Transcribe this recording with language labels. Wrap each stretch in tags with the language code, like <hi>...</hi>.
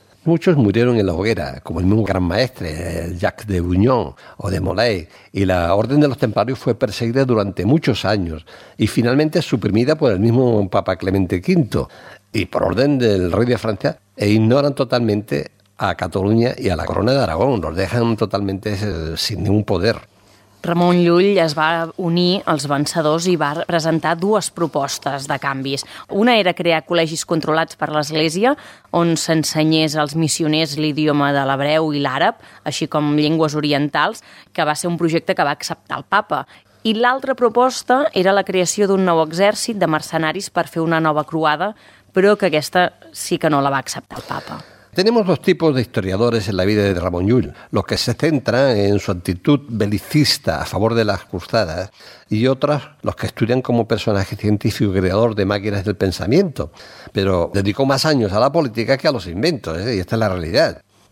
<es>Muchos murieron en la hoguera, como el mismo gran maestre, Jacques de Buñón o de Molay, y la Orden de los Templarios fue perseguida durante muchos años y finalmente suprimida por el mismo Papa Clemente V y por orden del rey de Francia, e ignoran totalmente a Cataluña y a la corona de Aragón, los dejan totalmente sin ningún poder.</es> <ca>Ramon Llull es va unir als vencedors i va presentar 2 propostes de canvis. Una era crear col·legis controlats per l'Església, on s'ensenyés als missioners l'idioma de l'hebreu i l'àrab, així com llengües orientals, que va ser un projecte que va acceptar el papa. I l'altra proposta era la creació d'un nou exèrcit de mercenaris per fer una nova croada, però que aquesta sí que no la va acceptar el papa.</ca> <es>Tenemos 2 tipos de historiadores en la vida de Ramon Llull, los que se centran en su actitud belicista a favor de las cruzadas y otros los que estudian como personaje científico y creador de máquinas del pensamiento, pero dedicó más años a la política que a los inventos, ¿eh? Y esta es la realidad.</es>